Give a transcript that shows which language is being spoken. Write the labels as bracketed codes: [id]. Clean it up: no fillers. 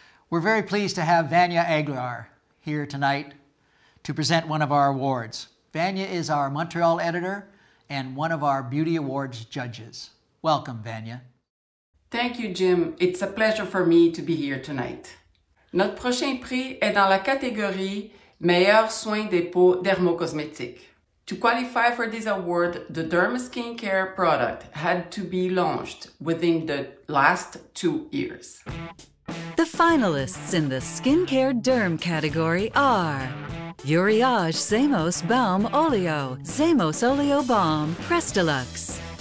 [en] We're very pleased to have Vanya Aguilar here tonight to present one of our awards. Vanya is our Montreal editor and one of our Beauty Awards judges. Welcome, Vanya. Thank you, Jim. It's a pleasure for me to be here tonight. [fr] Notre prochain prix est dans la catégorie Meilleur soin des peaux dermocosmétiques. [en] To qualify for this award, the Derma Skincare product had to be launched within the last 2 years. The finalists in the skincare derm category are Uriage Zamos Balm Oleo, Zamos Oleo Balm, Prestilux.